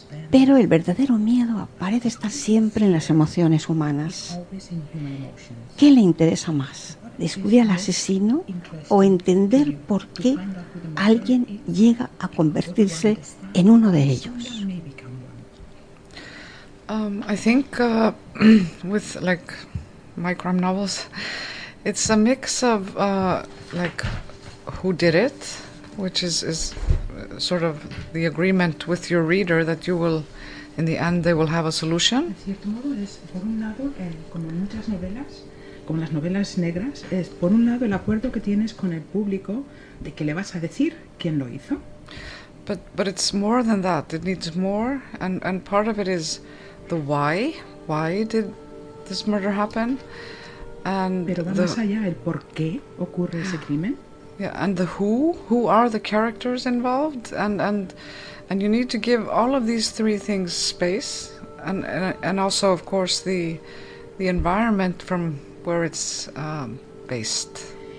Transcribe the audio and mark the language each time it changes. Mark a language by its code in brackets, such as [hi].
[es] Pero el verdadero miedo parece estar siempre en las emociones humanas. ¿Qué le interesa más? ¿Descubrir al asesino o entender por qué alguien llega a convertirse en uno de ellos? [en] I think with like microcrime novels, it's a mix of like who did it, which is sort of the agreement with your reader that you will, in the end, they will have a solution. [es] De cierto modo, es por un lado, como en muchas novelas, como las novelas negras, es por un lado el acuerdo que tienes con el público de que le vas a decir quién lo hizo. [en] But it's more than that. It needs more, and part of it is the why. Why did this murder happen? [es] And pero va más allá el por qué ocurre ese crimen. [en] Yeah, and the who? Who are the characters involved? And you need to give all of these three things space, and also, of course, the environment from where it's based.